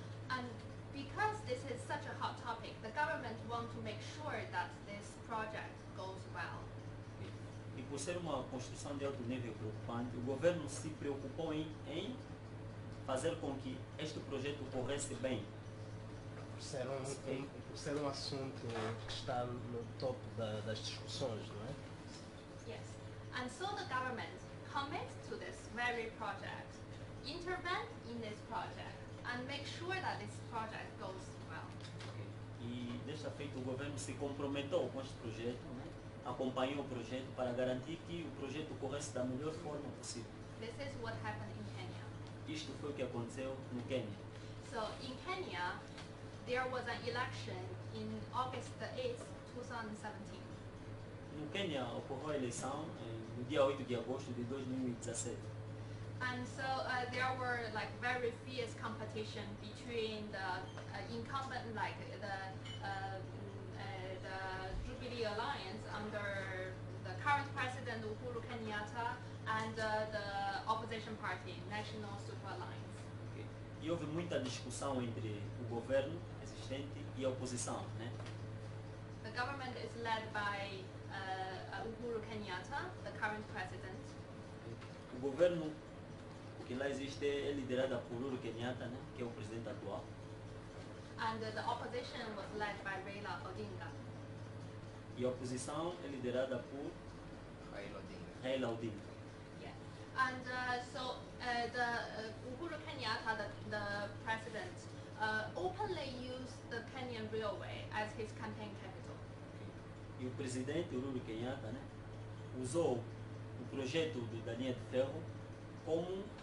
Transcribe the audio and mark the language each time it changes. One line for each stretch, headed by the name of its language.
English: And because this is such a hot topic, the government want to make sure that this project goes well.
Portuguese: E por ser uma construção de alto nível preocupante, o governo se preocupou em fazer com que este projeto corresse bem. Por ser um assunto que está no topo das discussões, não é?
English: Yes. And so the government commits to this very project, intervent in this project, and make sure that this project goes well.
Portuguese: E desta feita o governo se comprometeu com este projeto, né? Acompanhou o projeto para garantir que o projeto corresse da melhor forma possível.
English: This is what happened in Kenya.
Portuguese: Isto foi o que aconteceu no Quênia.
English: So in Kenya there was an election in August 8th, 2017.
Portuguese: No Quênia ocorreu a eleição no dia 8 de agosto de 2017.
English: And so there were like very fierce competition between the incumbent, like the Jubilee Alliance under the current president Uhuru Kenyatta and the opposition party National Super Alliance.
Portuguese: Okay. E houve muita discussão entre o governo existente e a oposição, né?
English: The government is led by Uhuru Kenyatta, the current president.
Portuguese: O governo que lá existe é liderada por Uhuru Kenyatta, né, que é o presidente atual.
English: And the opposition was led by Raila Odinga.
Portuguese: E a oposição é liderada por Raila Odinga.
English: Yeah. And Uhuru Kenyatta, the president, openly used the Kenyan Railway as his campaign capital.
Portuguese: E o presidente Uhuru Kenyatta, né, usou o projeto da linha de ferro como